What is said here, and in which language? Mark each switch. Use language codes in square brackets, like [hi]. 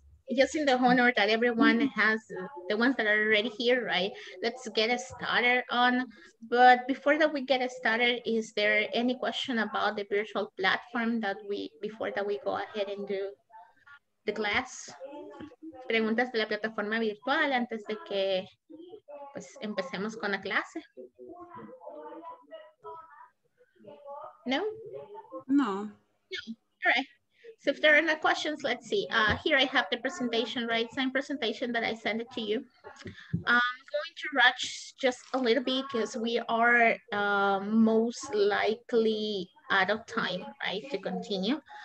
[en] Just in the honor that everyone has, the ones that are already here, right? Let's get started on. But before that we get started, is there any question about the virtual platform that we, before that we go ahead and do the class? [es] Preguntas de la plataforma virtual antes de que pues empecemos con la clase. No? No. No. [en] All right. So if there are no questions, let's see. Here I have the presentation, right? Same presentation that I sent it to you. I'm going to rush just a little bit because we are most likely out of time, right? To continue.